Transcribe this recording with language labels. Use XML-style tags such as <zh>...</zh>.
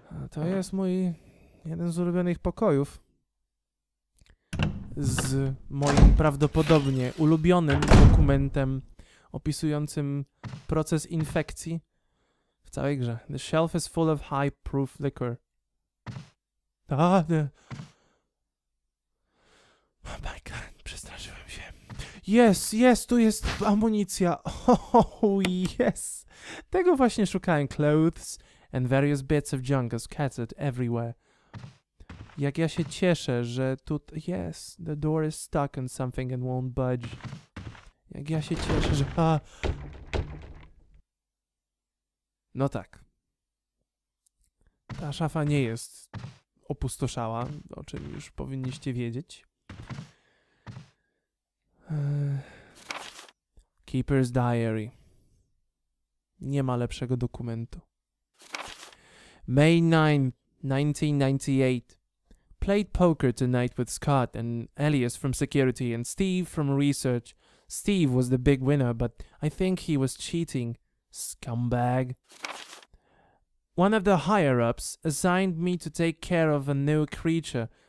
<pl>To jest mój jeden z ulubionych pokojów. Z moim prawdopodobnie ulubionym dokumentem opisującym proces infekcji w całej grze.</pl> <en>The shelf is full of high proof liquor.</en> <pl>Oh my god, przestraszyłem się. Yes, tu jest amunicja. Oh yes. Tego właśnie szukałem.</pl> <en>Clothes and various bits of junk are scattered everywhere.</en> <pl>Jak ja się cieszę, że tutaj...</pl> <en>Yes, the door is stuck in something and won't budge.</en> <pl>Jak ja się cieszę, że... No tak. Ta szafa nie jest opustoszała, o czym już powinniście wiedzieć. Keeper's Diary. Nie ma lepszego dokumentu.</pl> <en>May 9, 1998. Played poker tonight with Scott and Elias from security and Steve from research. Steve was the big winner, but I think he was cheating. Scumbag. One of the higher-ups assigned me to take care of a new creature.</en>